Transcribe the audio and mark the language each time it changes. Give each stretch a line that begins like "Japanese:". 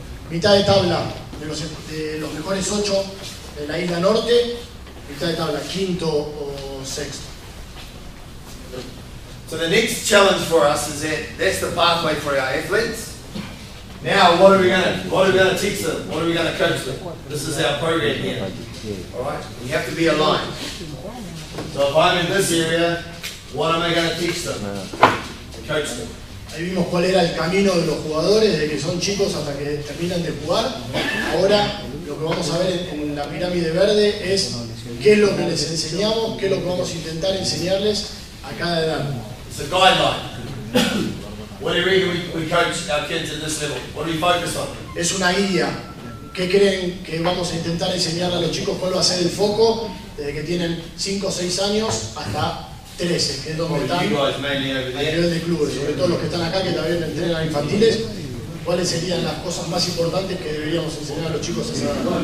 Spanish: Mitad de tabla de los mejores 8 de la isla norte. Mitad de tabla, quinto o sexto.
English: So the next challenge for us is that's the pathway for our athletes. Now, what are we going to teach them? What are we going to coach them? This is our program here. Alright? We have to be aligned. So if I'm in this area, what am I going to teach them? To coach them.
Spanish: Ahí vimos cuál era el camino de los jugadores, desde que son chicos hasta que terminan de jugar. Ahora, lo que vamos a ver en la pirámide verde es qué es lo que les enseñamos, qué es lo que vamos a intentar enseñarles a cada edad.
English: It's a guideline. What area do we coach our kids at this level? What do we focus on?
Spanish: Es una guía. ¿Qué creen que vamos a intentar enseñar a los chicos? ¿Cuál va a ser el foco desde que tienen 5 o 6 años hasta 13? Que es donde están a nivel de clubes, sobre todo los que están acá que también entrenan infantiles. ¿Cuáles serían las cosas más importantes que deberíamos enseñar a los chicos a esa edad?